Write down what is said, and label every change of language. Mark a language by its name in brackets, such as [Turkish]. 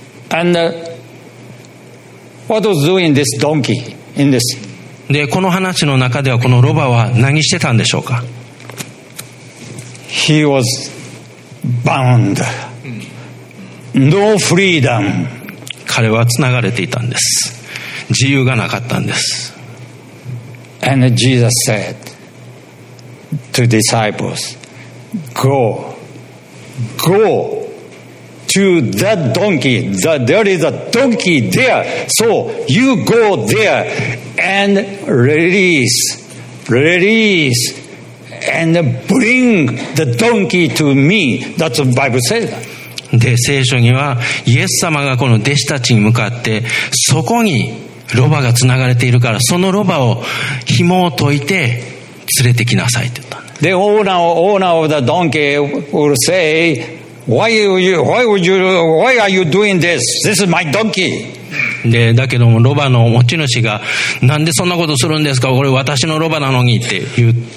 [English] And what was doing this donkey in this? [Japanese] で、この話の中ではこのロバは何してたんでしょうか。 [English] He was bound. No freedom. [Japanese] 彼はつながれていたんです。自由がなかったんです。 [English] And Jesus said. To disciples, go, go to the donkey. There is a donkey there. So you go there and release, and bring the donkey to me. That's what the Bible says. [Japanese] で、聖書にはイエス様がこの弟子たちに向かってそこにロバがつながれているから、そのロバを紐を解いて連れてきなさいと。 [English] The owner of the donkey will say, why are you doing this? This is my donkey. [Japanese] で、だけどもロバの持ち主がなんでそんなことするんですか。これ私のロバなのにって言う。